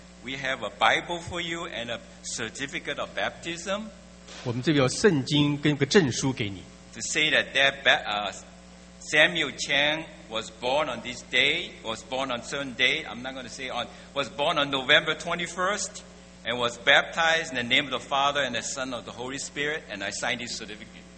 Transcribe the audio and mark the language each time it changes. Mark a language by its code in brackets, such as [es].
[en] We have a Bible for you and a certificate of baptism. [zh] 我们这边有圣经跟个证书给你。 [en] To say that that Samuel Chang was born on this day, was born on certain day. I'm not going to say on. Was born on November 21st, and was baptized in the name of the Father and the Son of the Holy Spirit. And I signed this certificate.